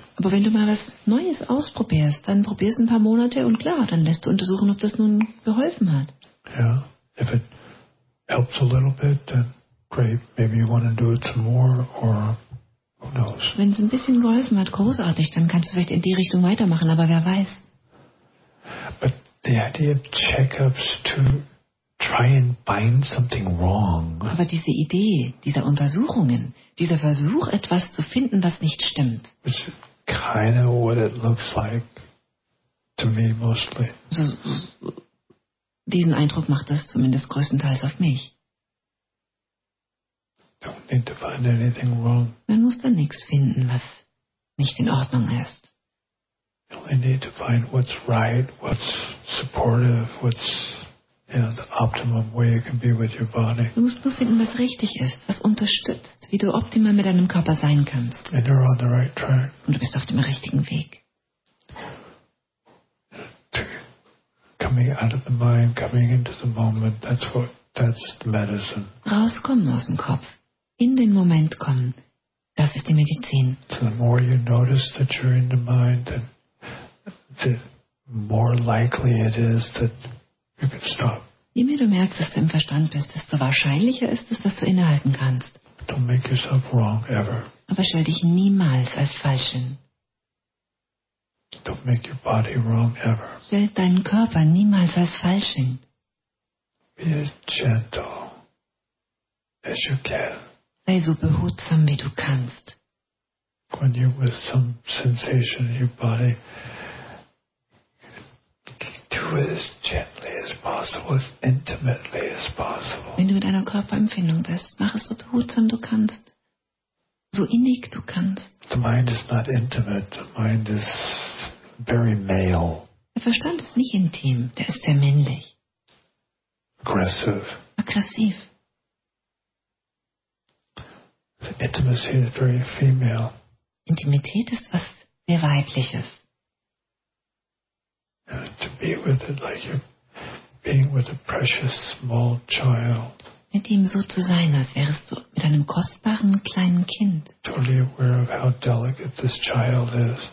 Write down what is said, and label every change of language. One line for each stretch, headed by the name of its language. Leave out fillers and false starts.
German: Aber wenn du mal was Neues ausprobierst, dann probierst du ein paar Monate und klar, dann lässt du untersuchen, ob das nun geholfen hat.
English: Ja, if it helps a little bit, then great. Maybe you want to do it some more or who knows.
German: Wenn es ein bisschen geholfen hat, großartig, dann kannst du vielleicht in die Richtung weitermachen, aber wer weiß.
English: But the idea of checkups to try and find something wrong.
German: Aber diese Idee dieser Untersuchungen, dieser Versuch, etwas zu finden, was nicht stimmt.
English: Kind of what it looks like to me mostly.
German: Diesen Eindruck macht das zumindest größtenteils auf mich.
English: Don't need to find anything wrong.
German: Man muss da nichts finden, was nicht in Ordnung ist.
English: You only need to find what's right, what's supportive, what's, you know, the optimum way you can be with your body.
German: Du musst nur finden, was richtig ist, was unterstützt, wie du optimal mit deinem Körper sein kannst.
English: And you're on the right track.
German: Und du bist auf dem richtigen Weg.
English: Coming out of the mind, coming into the moment, that's medicine.
German: Rauskommen aus dem Kopf, in den Moment kommen, das ist die Medizin.
English: The more you notice that you're in the mind, the more likely it is that you can stop.
German: Je mehr du merkst, dass du im Verstand bist, desto wahrscheinlicher ist es, dass du innehalten kannst.
English: Don't make yourself wrong, ever.
German: Aber stell dich niemals als falsch hin.
English: Don't make your body wrong, ever.
German: Stell deinen Körper niemals als falsch hin.
English: Be as gentle as you can.
German: Sei so behutsam, wie du kannst.
English: When you're with some sensation in your body, do it as gently as possible, as intimately as possible.
German: Wenn du mit einer Körperempfindung bist, mach es so behutsam du kannst, so innig du kannst.
English: The mind is not intimate. The mind is very male.
German: Der Verstand ist nicht intim. Der ist sehr männlich.
English: Aggressive.
German: Aggressiv.
English: The intimacy is very female.
German: Intimität ist was sehr weibliches.
English: To be with it like you're being with a precious small child.
German: Mit ihm so zu sein, als wärst du mit einem kostbaren kleinen Kind.
English: Totally aware of how delicate this child is.